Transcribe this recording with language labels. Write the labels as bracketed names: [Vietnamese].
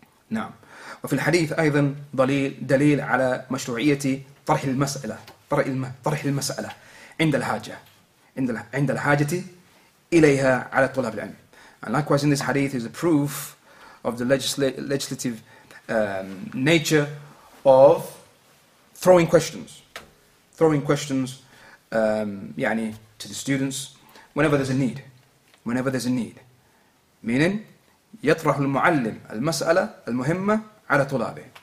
[Arabic] Now, وفي الحديث أيضا دليل على مشروعية طرح المسألة طرح المسألة عند الحاجة عند الحاجة إليها على طلاب العلم. [English] And likewise, in this hadith is a proof of the legislative nature of throwing questions, يعني to the students whenever there's a need. [Arabic] Meaning, يطرح المعلم المسألة المهمة على طلابه.